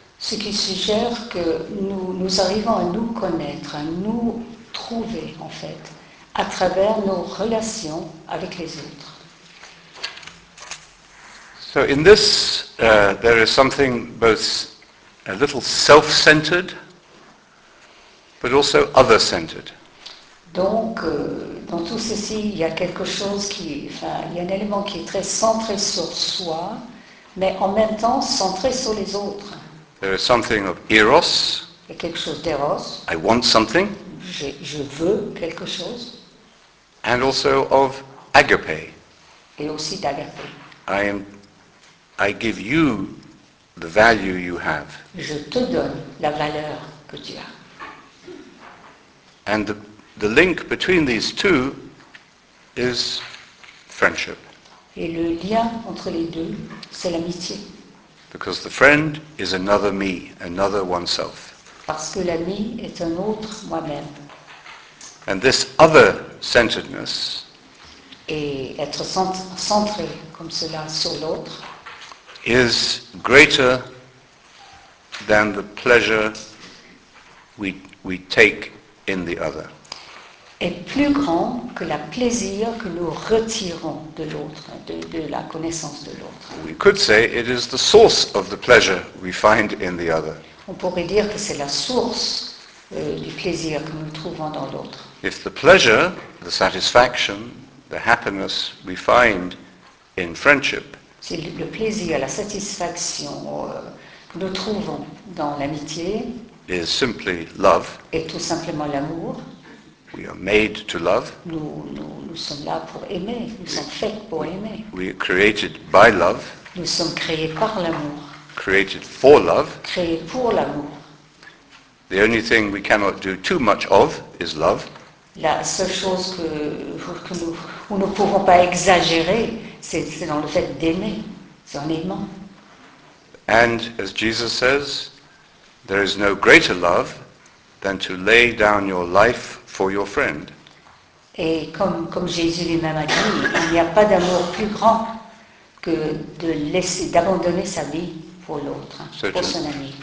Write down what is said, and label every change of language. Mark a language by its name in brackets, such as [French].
[French] Ce qui suggère que nous arrivons à nous connaître, à nous trouver en fait à travers nos relations avec les autres. [English] So in this there is something both a little self-centered but also other-centered. [French] Donc dans tout ceci, il y a quelque chose il y a un élément qui est très centré sur soi mais en même temps centré sur les autres. [English] There is something of eros. [French] Il y a quelque chose d'eros. [English] I want something. [French] Je veux quelque chose. [English] And also of agape. [French] Et aussi d'agape. [English] I give you the value you have. [French] Je te donne la valeur que tu as. [English] And the link between these two is friendship. [French] Et le lien entre les deux, c'est l'amitié. [English] Because the friend is another me, another oneself. [French] Parce que l'ami est un autre moi-même. [English] And this other-centeredness, [French] et être centré comme cela sur l'autre, [English] is greater than the pleasure we take in the other. [French] Est plus grand que le plaisir que nous retirons de l'autre, de la connaissance de l'autre. [English] We could say it is the source of the pleasure we find in the other. [French] On pourrait dire que c'est la source du plaisir que nous trouvons dans l'autre. [English] If the pleasure, the satisfaction, the happiness we find in friendship. [French] C'est le plaisir, la satisfaction que nous trouvons dans l'amitié. [English] Is simply love. [French] Est tout simplement l'amour. [English] We are made to love. [French] Nous sommes là pour aimer. Nous sommes faits pour aimer. [English] We are created by love. [French] Nous sommes créés par l'amour. [English] Created for love. [French] Créés pour l'amour. [English] The only thing we cannot do too much of is love. [French] La seule chose que nous ne pouvons pas exagérer, c'est dans le fait d'aimer, c'est en aimant. [English] And as Jesus says, there is no greater love than to lay down your life for your friend. [French] Et comme Jésus lui-même a dit, il n'y a pas d'amour plus grand que d'abandonner sa vie pour l'autre, pour son ami.